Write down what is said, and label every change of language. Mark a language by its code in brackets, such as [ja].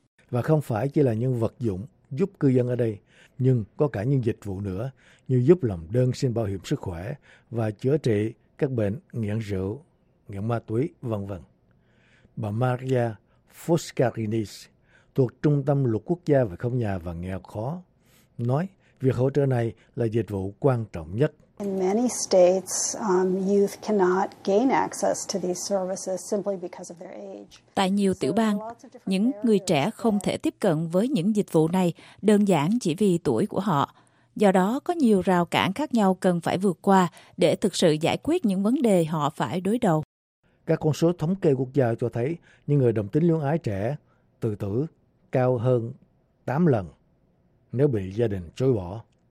[vi] Và không phải chỉ là những vật dụng giúp cư dân ở đây, nhưng có cả những dịch vụ nữa như giúp làm đơn xin bảo hiểm sức khỏe và chữa trị các bệnh nghiện rượu, nghiện ma túy, vân vân. Bà Maria Foscarinis thuộc Trung tâm Luật Quốc gia về Không nhà và Nghèo khó nói việc hỗ trợ này là dịch vụ quan trọng nhất. [en] In many states, youth cannot gain access to these services simply because of their age. [vi] Tại nhiều tiểu bang, những người trẻ không thể tiếp cận với những dịch vụ này đơn giản chỉ vì tuổi của họ. Do đó, có nhiều rào cản khác nhau cần phải vượt qua để thực sự giải quyết những vấn đề họ phải đối đầu. Các con số thống kê quốc gia cho thấy những người đồng tính luyến ái trẻ tự tử cao hơn 8 lần nếu bị gia đình chối bỏ.